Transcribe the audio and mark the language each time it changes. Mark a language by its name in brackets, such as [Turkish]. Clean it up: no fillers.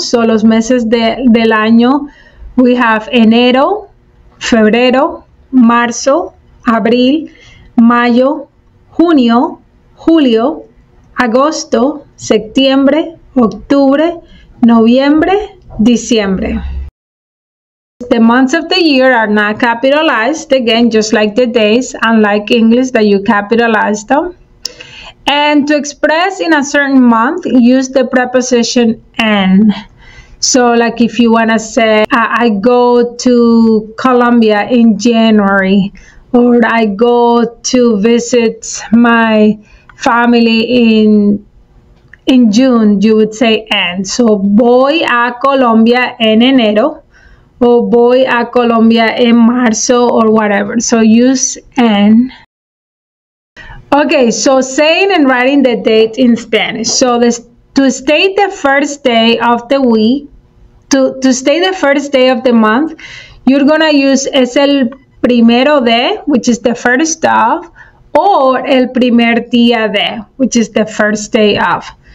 [Spanish] So los meses del año, [English] we have [Spanish] enero, febrero, marzo, abril, mayo, junio, julio, agosto, septiembre, octubre, noviembre, diciembre. [English] The months of the year are not capitalized, again, just like the days, unlike English that you capitalize them. And to express in a certain month, use the preposition en. So like if you want to say, I go to Colombia in January, or I go to visit my family in June, you would say en. [Spanish] So voy a Colombia en enero, or voy a Colombia en marzo, [English] or whatever. So use en. Okay, so saying and writing the date in Spanish. So to state the first day of the week, to state the first day of the month, you're going to use [Spanish] es el primero de, [English] which is the first of, or [Spanish] el primer día de, [English] which is the first day of.